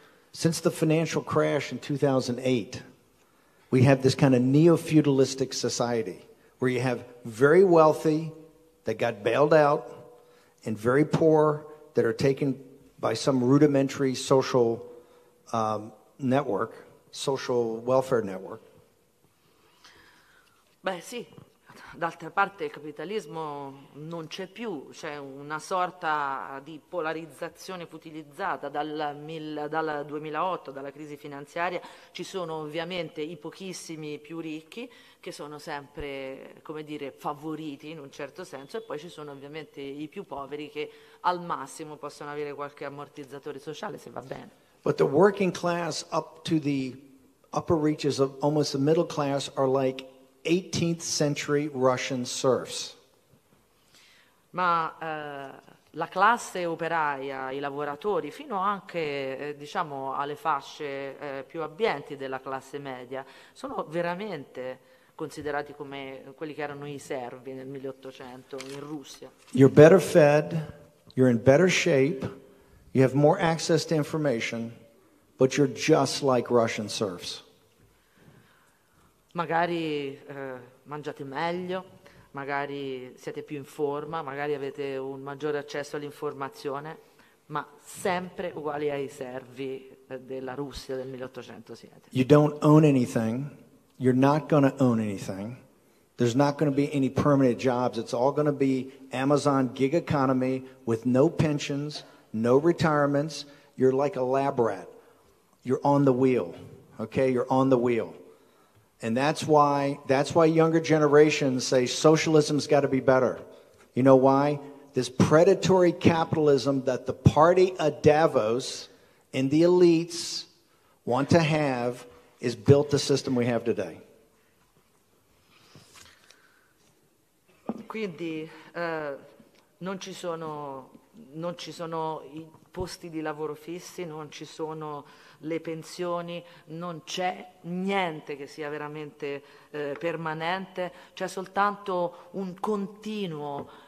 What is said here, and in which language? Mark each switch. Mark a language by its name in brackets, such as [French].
[English] Since the financial crash in 2008, we have this kind of neo-feudalistic society where you have very wealthy that got bailed out and very poor that are taken by some rudimentary social network, social welfare network. [Italian] Beh sì, d'altra parte il capitalismo non c'è più, c'è una sorta di polarizzazione futilizzata dal 2008, dalla crisi finanziaria. Ci sono ovviamente i pochissimi più ricchi che sono sempre, come dire, favoriti in un certo senso, e poi ci sono ovviamente i più poveri che al massimo possono avere qualche ammortizzatore sociale, se va bene. [English] But the working class up to the upper reaches of almost the middle class are like 18th century Russian serfs. [Italian] Ma la classe operaia, i lavoratori, fino anche diciamo alle fasce più abbienti della classe media, sono veramente considerati come quelli che erano i servi nel 1800 in Russia. [English] You're better fed, you're in better shape, you have more access to information, but you're just like Russian serfs. [Italian] Magari mangiate meglio, magari siete più in forma, magari avete un maggiore accesso all'informazione, ma sempre uguali ai servi della Russia del 1800 siete. [English] You don't own anything. You're not going to own anything. There's not going to be any permanent jobs. It's all going to be Amazon gig economy with no pensions, no retirements. You're like a lab rat. You're on the wheel. Okay? You're on the wheel. And that's why younger generations say socialism's got to be better. You know why? This predatory capitalism that the party of Davos and the elites want to have is built the system we have today. [Italian] Quindi non ci sono i posti di lavoro fissi, non ci sono le pensioni, non c'è niente che sia veramente permanente, c'è soltanto un continuo